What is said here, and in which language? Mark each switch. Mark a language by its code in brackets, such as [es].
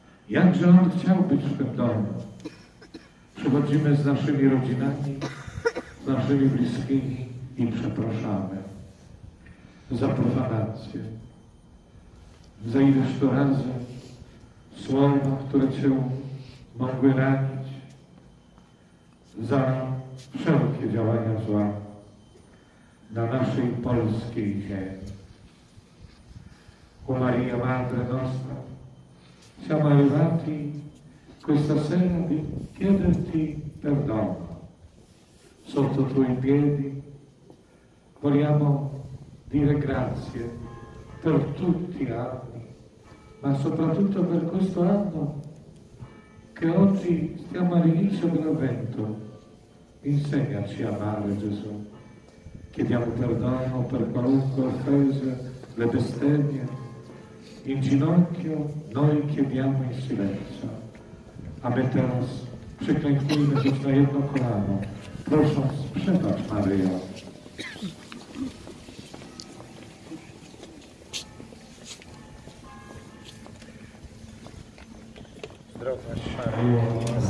[pl] Jakże on chciał być w tym domu. Przychodzimy z naszymi rodzinami, z naszymi bliskimi i przepraszamy za profanację. Za ileż to razy słowa, które Cię mogły ranić. Za wszelkie działania zła na naszej polskiej ziemi. [it] O Maria Madre Nostra, siamo arrivati questa sera di chiederti perdono. Sotto i tuoi piedi vogliamo dire grazie per tutti gli anni, ma soprattutto per questo anno che oggi stiamo all'inizio dell'avvento. Insegnaci a amare Gesù. Chiediamo perdono per qualunque offesa, le bestemmie. In ginocchio noi chiediamo in silenzio. [pl] A me teraz przyklękujmy się na jedno kolano. Proszę, przebacz Maryjo. Droga Maryjo,